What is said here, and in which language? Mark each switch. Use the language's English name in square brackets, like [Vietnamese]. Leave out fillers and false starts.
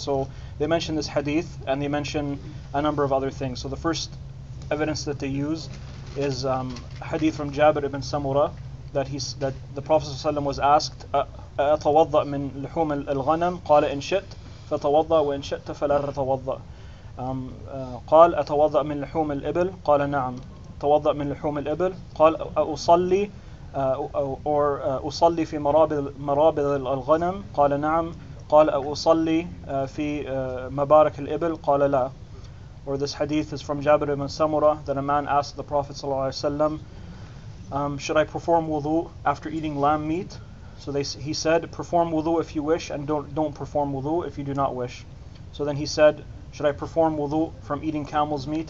[English] So they mention this hadith, and they mention a number of other things. So the first evidence that they use is hadith from Jabir ibn Samura, that the Prophet ﷺ was asked, [Arabic] أَتَوَضَّ مِنْ لُحُومِ الْغَنَمْ قَالَ إِنْ شِئْتْ فَتَوَضَّ وَإِنْ شِئْتَ فَلَا تَتَوَضَّ. قال أتوضأ من لحوم الإبل قال نعم توضأ من لحوم الإبل قال أصلي or أصلي في مرابض الغنم قال نعم قال أصلي في مبارك الإبل قال لا. [English] Or this hadith is from Jabir ibn Samura, that a man asked the Prophet صلى الله عليه وسلم, should I perform wudu after eating lamb meat? So he said, perform wudu if you wish, and don't perform wudu if you do not wish. So then he said, should I perform wudu from eating camel's meat?